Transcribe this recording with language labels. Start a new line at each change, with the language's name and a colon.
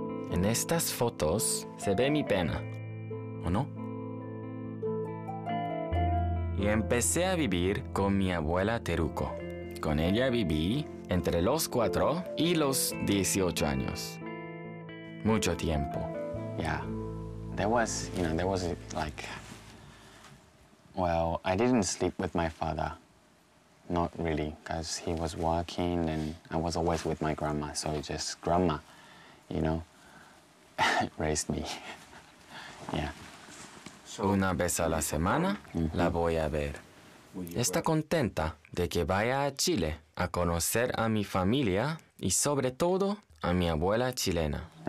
Spanish: En estas fotos se ve mi pena, ¿o no? Y empecé a vivir con mi abuela Teruko. Con ella viví entre los 4 y los 18 años. mucho tiempo.
English: Yeah, there was, you know, there was like, well, I didn't sleep with my father, not really, because he was working and I was always with my grandma, so just grandma, you know, raised me. Yeah.
Spanish: So, una vez a la semana, la voy a ver. Está contenta de que vaya a Chile a conocer a mi familia y sobre todo a mi abuela chilena.